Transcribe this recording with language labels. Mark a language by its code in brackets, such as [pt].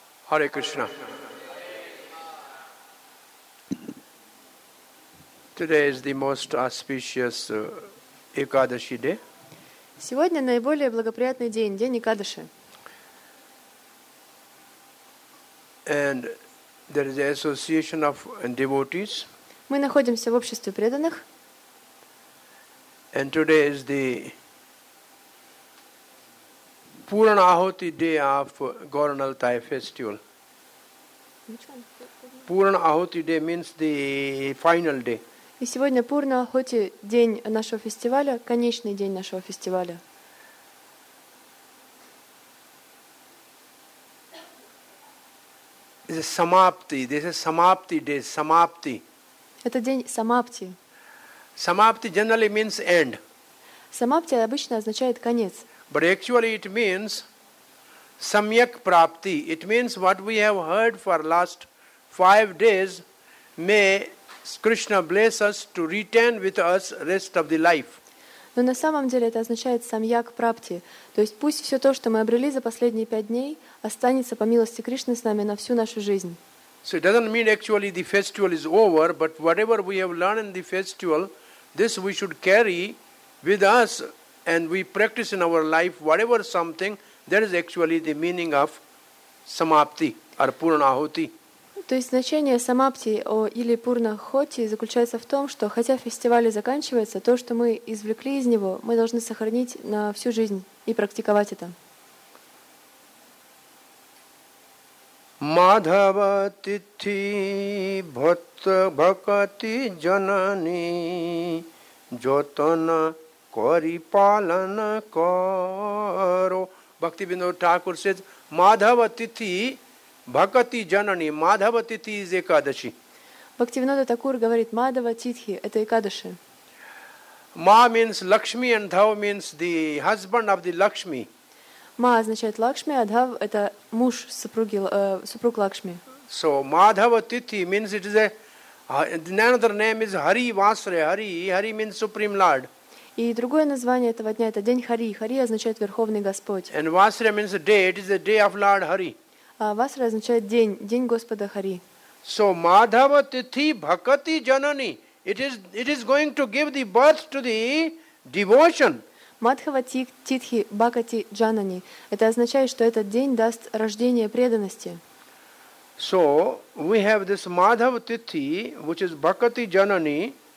[en] Hare Krishna Today is the most auspicious Ekadashi day. [ru] Сегодня наиболее благоприятный день, день Экадаши. [en] And there is the association of devotees. [ru] Мы находимся в обществе преданных. [en] And today is the Puran Ahuti day of Gauranaltai festival. Purna Ahuti Day means the final day. [ru] И сегодня Пурна Ахути, день нашего фестиваля, конечный день нашего фестиваля. [en] This is Samapti. This is Samapti Day. Samapti. [ru] Это день Самапти. [en] Самапти generally means end. [ru] Самапти обычно означает конец. [en] But actually it means Samyak Prapti. It means what we have heard for last 5 days. May Krishna bless us to retain with us rest of the life. [ru] Но на самом деле это означает Самьяк Прапти. То есть пусть все то, что мы обрели за последние 5 дней, останется по милости Кришны с нами на всю нашу жизнь. [en] So it doesn't mean actually the festival is over, but whatever we have learned in the festival, this we should carry with us and we practice in our life, whatever something, that is actually the meaning of Samapti or Purnahuti. [ru] То есть значение самапти или пурнахоти заключается в том, что хотя фестиваль заканчивается, то, что мы извлекли из него, мы должны сохранить на всю жизнь и практиковать это. [sa] Мадхава титхи бхатта бхакати джанани джотана кари палана каро. [en] Бхактивинода Тхакур says, [sa] Мадхава титхи Бхакати Джанани, [en] Мадхава Титхи из Экадаши. [ru] Бхактивинода Такур говорит, Мадхава Титхи – это Экадаши. [en] Ма means Лакшми, and Дхав means the husband of the Лакшми. [ru] Ма означает Лакшми, а Дхав – это муж супруги, супруг Лакшми. [en] So, Мадхава Титхи means it is a, another name is Hari Vasre, Hari, Hari means Supreme Lord. [ru] И другое название этого дня – это День Хари. Хари означает Верховный Господь. [en] And Vasre means day, it is the day of Lord Hari. [ru] Васра означает день, день Господа Хари. [en] So [sa] Madhava Tithi Bhakati Janani, [en] it is going to give the birth to the devotion. [sa] Madhava Tithi Bhakati Janani, [ru] это означает, что этот день даст рождение преданности. [en] So we have this Madhava Tithi, which is Bhakati Janani.